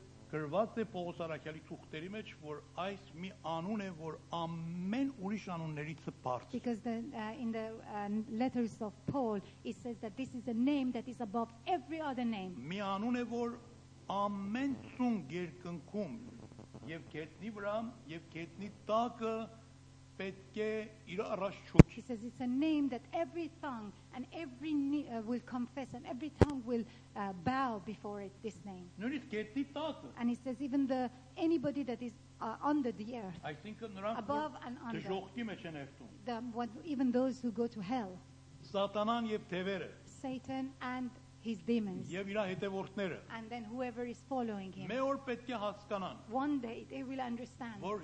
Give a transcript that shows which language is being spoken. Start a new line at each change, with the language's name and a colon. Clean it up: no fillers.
Armenian: Գրված է Պողոս Առաքյալի թուղթերի մեջ, որ այս մի անուն է, որ ամեն ուրիշ անուններից է բարձր.
English: Because the, in the letters of Paul, it says that this is a name that is above every other name.
Armenian: Մի անուն է, որ ամեն ցուն երկնքում եւ գետնի վրա եւ գետնի տակը պետք է իր առաջ չուքի.
English: He says it's a name that every tongue and every knee will confess and every tongue will bow before it, this name. And he says even the anybody that is under the earth, above and under, even those who go to hell, Satan and his demons, and then whoever is following him, one day they will understand.